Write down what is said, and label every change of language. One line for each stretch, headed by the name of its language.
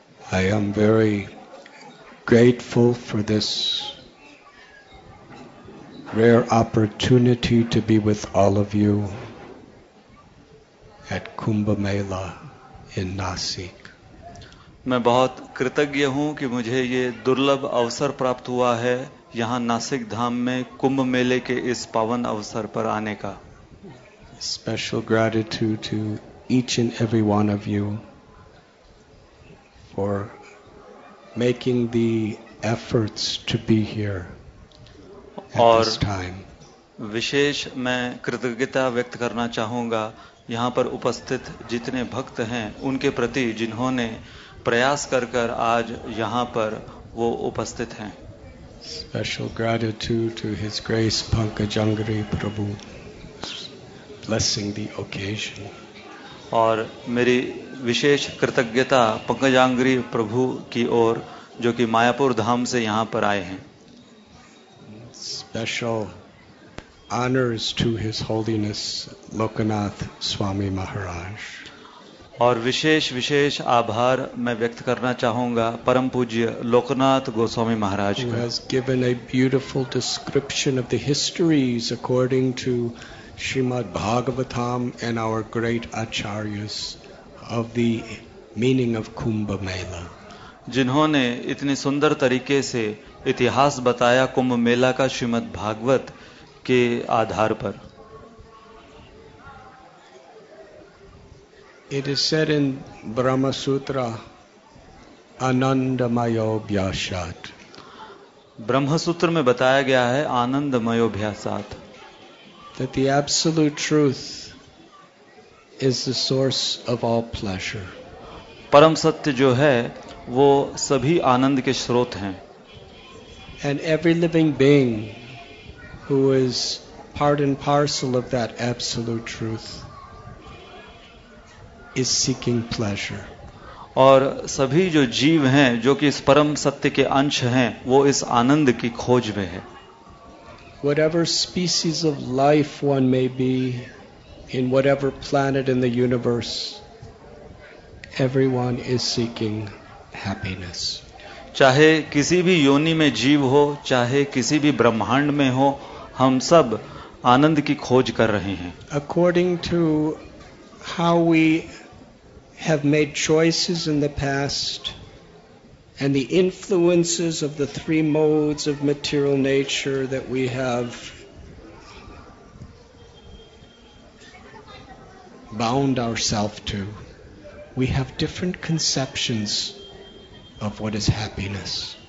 English: I am very grateful for this rare opportunity to be with all of you at Kumbha Mela in Nasik.
Hindi: मैं बहुत कृतज्ञ हूं कि मुझे यह दुर्लभ अवसर प्राप्त हुआ है यहां नासिक धाम में कुंभ मेले के इस पावन अवसर पर आने का.
English: Special gratitude to each and every one of you for making the efforts to be here at this time.
Hindi: विशेष मैं कृतज्ञता व्यक्त करना चाहूंगा यहां पर उपस्थित जितने भक्त हैं उनके प्रति जिन्होंने प्रयास करकर आज यहां पर वो उपस्थित हैं.
English: Special gratitude to His Grace Pankajangri Prabhu blessing the occasion.
Hindi: और मेरी विशेष कृतज्ञता पंकजांगरी प्रभु की ओर जो कि मायापुर धाम से यहां पर आए हैं.
English: Special honors to His Holiness Lokanath Swami Maharaj.
Hindi: और विशेष विशेष आभार मैं व्यक्त करना चाहूंगा परम पूज्य लोकनाथ गोस्वामी महाराज
English: का. Who has given a beautiful description of the histories according to Srimad Bhagavatam and our great acharyas of the meaning of Kumbha Mela.
Hindi: जिन्होंने इतनी सुंदर तरीके से इतिहास बताया कुंभ मेला का श्रीमद् भागवत के आधार पर.
English: It is said in Brahma Sutra, Anandamayo Bhyasat.
Hindi: Brahma Sutra mein bataya gaya hai Anandamayo Bhyasat.
English: That the absolute truth is the source of all pleasure.
Hindi: Param Satya jo hai, wo sabhi anand ke srot hain.
English: And every living being who is part and parcel of that absolute truth is seeking pleasure.
Hindi: और सभी जो जीव हैं जो कि इस परम सत्य के अंश हैं वो इस आनंद की खोज में है.
English: Whatever species of life one may be in whatever planet in the universe, everyone is seeking happiness.
Hindi: चाहे किसी भी योनि में जीव हो चाहे किसी भी ब्रह्मांड में हो हम सब आनंद की खोज कर रहे हैं.
English: According to how we have made choices in the past and the influences of the three modes of material nature that we have bound ourselves to, we have different conceptions of what is happiness.